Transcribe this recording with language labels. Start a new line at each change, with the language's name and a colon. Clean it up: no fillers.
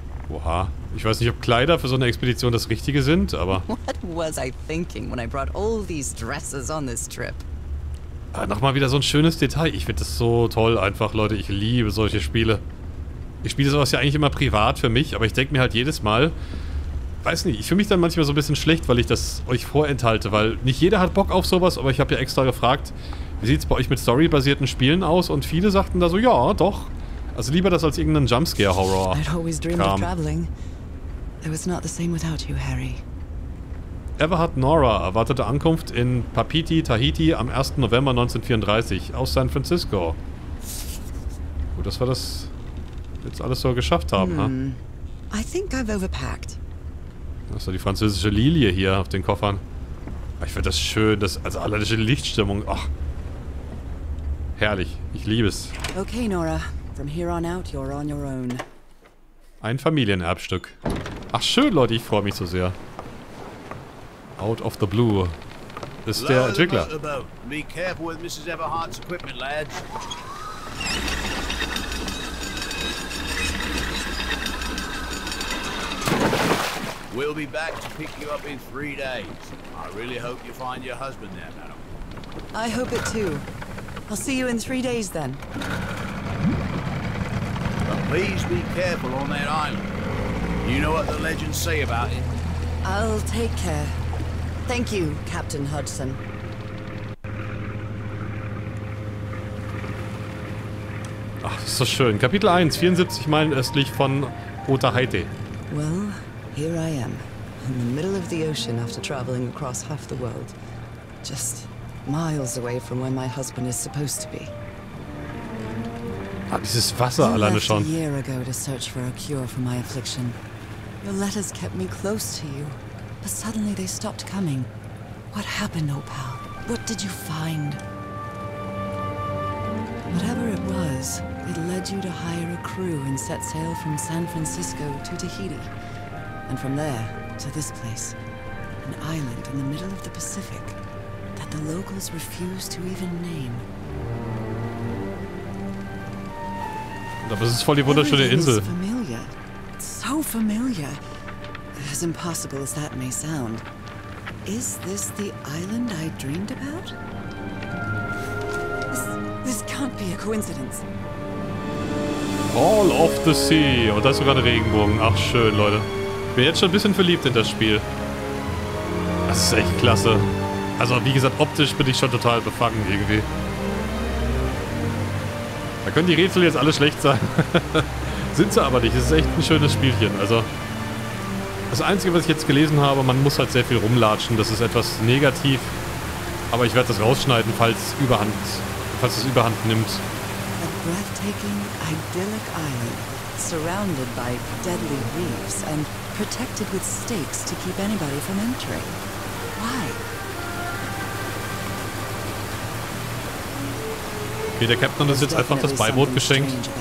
German: Oha. Ich weiß nicht, ob Kleider für so eine Expedition das Richtige sind, aber...
English: What was I thinking when I brought all these dresses on this trip?
German: Nochmal wieder so ein schönes Detail. Ich finde das so toll einfach, Leute. Ich liebe solche Spiele. Ich spiele sowas ja eigentlich immer privat für mich, aber ich denke mir halt jedes Mal... Weiß nicht, ich fühle mich dann manchmal so ein bisschen schlecht, weil ich das euch vorenthalte, weil nicht jeder hat Bock auf sowas, aber ich habe ja extra gefragt, wie sieht es bei euch mit storybasierten Spielen aus? Und viele sagten da so, ja, doch. Also lieber das als irgendein Jumpscare-Horror.
English: I'd always dreamed of traveling. It was not the same without you, Harry.
German: Everhart Nora erwartete Ankunft in Papiti, Tahiti am 1. November 1934 aus San Francisco. Gut, dass wir das jetzt alles so geschafft haben, ha?
English: I think I've overpacked.
German: Das ist doch die französische Lilie hier auf den Koffern. Ich finde das schön, das, also allerdings die Lichtstimmung. Ach. Herrlich, ich liebe es.
English: Okay, Nora. From here on out, you're on your own.
German: Ein Familienerbstück. Ach schön, Leute, ich freue mich so sehr. Out of the blue. Das ist der Entwickler.
English: Be careful with Mrs. Everhart's equipment, lads. We'll be back to pick you up in 3 days. I really hope you find your husband there, madam. I hope it too. I'll see you in 3 days then. But please be careful on that island. You know what the legends say about it. I'll take care. Thank you, Captain Hudson.
German: Ach, das ist so schön. Kapitel 1, 74 Meilen östlich von Otaheite.
English: Well... Here I am, in the middle of the ocean after traveling across half the world. Just miles away from where my husband is supposed to be.
German: Ah, dieses Wasser alleine schon.
English: I left a year ago to search for a cure for my affliction. Your letters kept me close to you, but suddenly they stopped coming. What happened, old pal? What did you find? Whatever it was, it led you to hire a crew and set sail from San Francisco to Tahiti. And from there, to this place. An island in the middle of the Pacific that the locals refuse to even name.
German: Aber es ist voll die wunderschöne Insel.
English: Familiar. So familiar. As impossible as that may sound. Is this the island I dreamed about? This can't be a coincidence. All of the sea.
German: Und da ist sogar ein Regenbogen. Ach schön, Leute. Ich bin jetzt schon ein bisschen verliebt in das Spiel. Das ist echt klasse. Also wie gesagt, optisch bin ich schon total befangen irgendwie. Da können die Rätsel jetzt alle schlecht sein. Sind sie aber nicht. Es ist echt ein schönes Spielchen. Also das Einzige, was ich jetzt gelesen habe, man muss halt sehr viel rumlatschen. Das ist etwas negativ. Aber ich werde das rausschneiden, falls es überhand nimmt.
English: A breathtaking, idyllic island, surrounded by deadly reefs and protected with stakes to keep anybody from entering. Why?
German: Okay, der Captain hat uns jetzt einfach das Beiboot geschenkt.